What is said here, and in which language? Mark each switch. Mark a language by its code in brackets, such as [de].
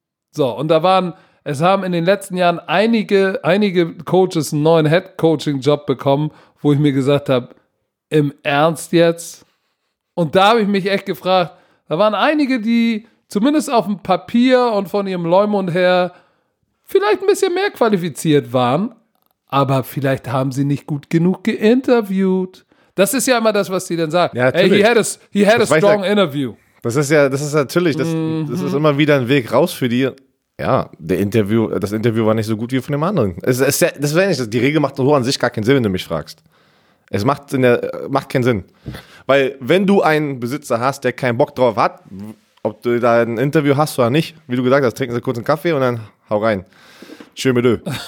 [de] So, und da waren, es haben in den letzten Jahren einige Coaches einen neuen Head-Coaching-Job bekommen, wo ich mir gesagt habe, im Ernst jetzt? Und da habe ich mich echt gefragt, da waren einige, die zumindest auf dem Papier und von ihrem Leumund her vielleicht ein bisschen mehr qualifiziert waren, aber vielleicht haben sie nicht gut genug geinterviewt. Das ist ja immer das, was sie dann sagen. Ja, hey, [en] he had a strong interview. [de] Das ist natürlich, das ist immer wieder ein Weg raus für die. Ja, das Interview war nicht so gut wie von dem anderen. Die Regel macht so an sich gar keinen Sinn, wenn du mich fragst. Es macht keinen Sinn. Weil wenn du einen Besitzer hast, der keinen Bock drauf hat, ob du da ein Interview hast oder nicht, wie du gesagt hast, trinken sie kurz einen Kaffee und dann hau rein. Schön mit Ö.